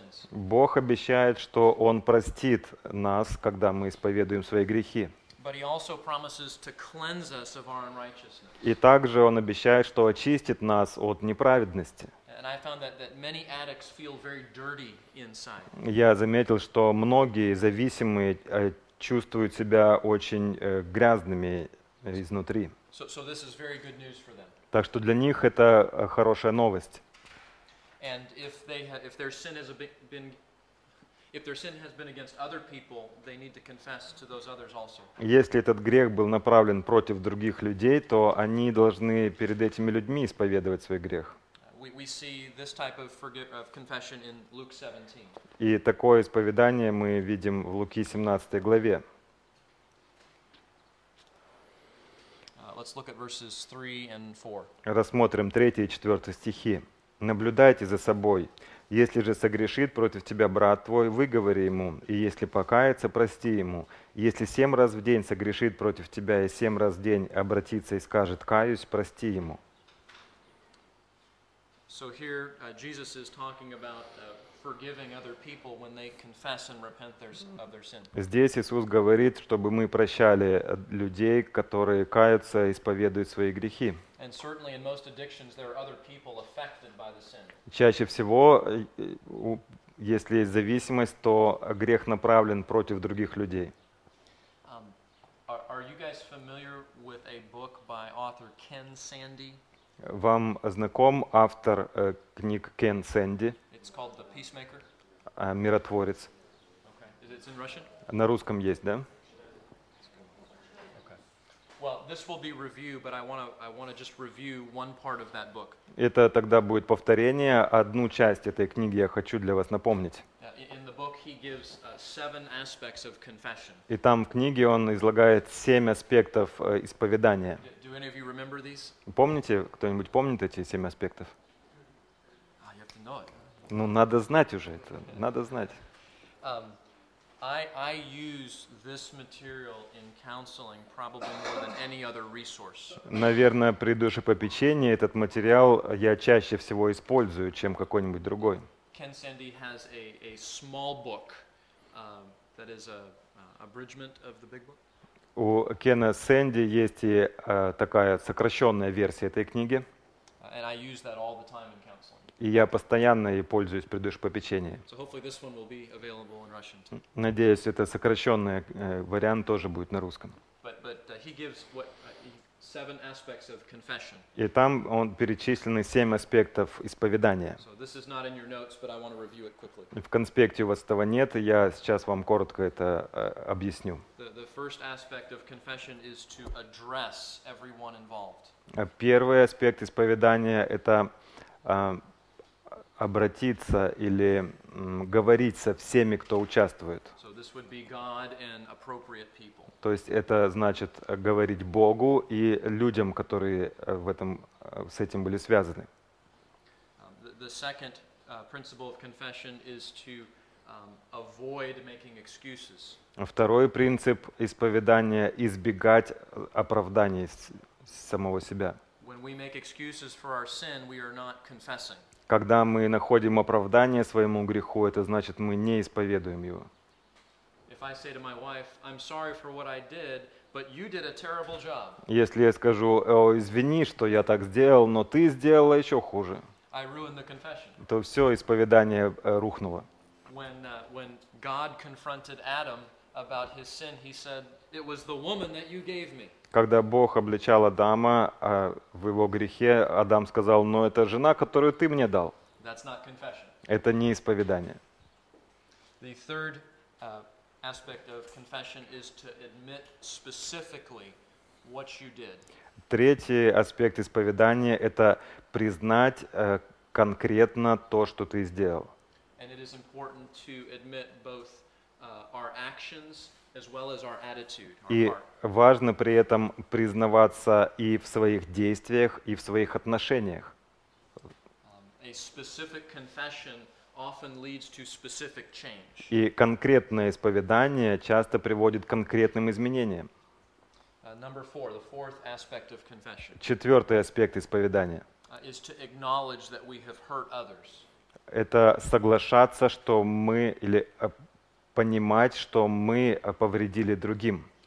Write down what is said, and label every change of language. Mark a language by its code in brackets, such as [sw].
[ru] Бог обещает, что Он простит нас, когда мы исповедуем свои грехи. [en] But he also promises to cleanse us of our unrighteousness. [ru] И также он обещает, что очистит нас от неправедности. [en] And I found that many addicts feel very dirty inside. [ru] Я заметил, что многие зависимые чувствуют себя очень грязными изнутри. [en] So this is very good news for them. [ru] Так что для них это хорошая новость. [en] And if they have, if their sin has been, if their sin has been against other people, they need to confess to those others also. [ru] Если этот грех был направлен против других людей, то они должны перед этими людьми исповедовать свой грех. [en] We see this type of confession in Luke 17. [ru] И такое исповедание мы видим в Луки 17 главе. [en] Let's look at verses 3 and 4. [ru] Рассмотрим 3 и 4 стихи. «Наблюдайте за собой. Если же согрешит против тебя брат твой, выговори ему, и если покается, прости ему. Если 7 раз в день согрешит против тебя и 7 раз в день обратится и скажет, каюсь, прости ему». [en] So here Jesus is talking about forgiving other people when they confess and repent of their sin. [ru] Здесь Иисус говорит, чтобы мы прощали людей, которые каются и исповедуют свои грехи. [en] And certainly in most addictions there are other people affected by the sin. [ru] Чаще всего, если есть зависимость, то грех направлен против других людей. [en] Are you guys familiar with a book by author Ken Sandy? [ru] Вам знаком автор книг Кен Сэнди? [en] It's called The Peacemaker. [ru] Миротворец. [en] Okay. Is it, it's in Russian? [ru] На русском есть, да? [en] Okay. Well, this will be review, but I want to just review one part of that book. [ru] Это тогда будет повторение. Одну часть этой книги я хочу для вас напомнить. [en] In the book he gives 7 aspects of confession. [ru] И там в книге он излагает 7 аспектов исповедания. [en] Do any of you remember these? [ru] Помните, кто-нибудь помнит эти 7 аспектов? [en] Ah, you have to know it. [ru] Ну, надо знать уже это, надо знать. [en] I use this material in counseling probably more than any other resource. [ru] Наверное, при душепопечении этот материал я чаще всего использую, чем какой-нибудь другой. [en] Ken Sandy has a small book that is a abridgment of the big book. [ru] У Кена Сэнди есть и такая сокращенная версия этой книги. [en] And I use that all the time in counseling. [ru] И я постоянно ей пользуюсь при душепопечении. [en] So hopefully this one will be available in Russian too. [ru] Надеюсь, это сокращенный вариант тоже будет на русском. [en] He gives what, 7 aspects of confession. [ru] И там он перечислены 7 аспектов исповедания. [en] So this is not in your notes, but I want to review it quickly. [ru] В конспекте у вас этого нет, и я сейчас вам коротко это объясню. [en] The first aspect of confession is to address everyone involved. [ru] Первый аспект исповедания — это обратиться или говорить со всеми, кто участвует. [en] So this would be God and appropriate people. [ru] То есть это значит говорить Богу и людям, которые в этом, с этим были связаны. [en] The second principle of confession is to avoid making excuses. [ru] Второй принцип исповедания — избегать оправданий самого себя. [en] When we make excuses for our sin, we are not confessing. [ru] Когда мы находим оправдание своему греху, это значит, мы не исповедуем его. [en] If I say to my wife, I'm sorry for what I did, but you did a terrible job. [ru] Если я скажу, о, извини, что я так сделал, но ты сделала еще хуже. [en] I ruined the confession. [ru] То все, исповедание рухнуло. [en] When God confronted Adam about his sin, he said, it was the woman that you gave me. [ru] Когда Бог обличал Адама в его грехе, Адам сказал, но это жена, которую ты мне дал. Это не исповедание. [en] The third aspect of confession is to admit specifically what you did. [ru] Третий аспект исповедания — это признать конкретно то, что ты сделал. [en] And it is important to admit both our actions as well as our attitude, our [ru] и [en] heart. [ru] Важно при этом признаваться и в своих действиях, и в своих отношениях. [en] A specific confession often leads to specific change. [ru] И конкретное исповедание часто приводит к конкретным изменениям. [en] Number four, the fourth aspect of confession. [ru] Четвертый аспект исповедания. [en] Is to acknowledge that we have hurt others. [ru] Это соглашаться, что мы или понимать, что мы повредили другим.